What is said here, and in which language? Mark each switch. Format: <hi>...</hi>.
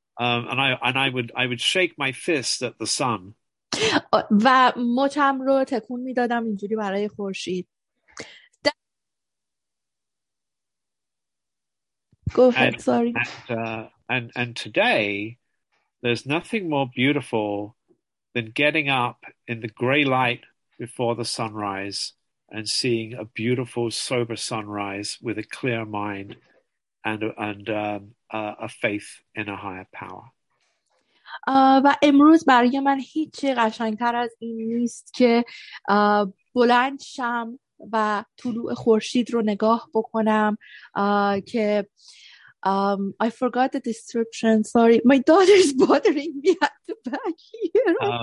<en>And I would shake my fist at the sun.</en> <fa>و مچم رو تکون میدادم اینجوری برای خورشید.</fa> <en>Go ahead, and, sorry. And today there's nothing more beautiful than getting up in the grey light before the sunrise and seeing a beautiful sober sunrise with a clear mind and a faith in a higher power.</en> <fa>و امروز برای من هیچی قشنگتر از این نیست که بلند شم و طلوع خورشید رو نگاه بکنم که</fa> <en>I forgot the description. Sorry, my daughter's bothering me at the back here.</en>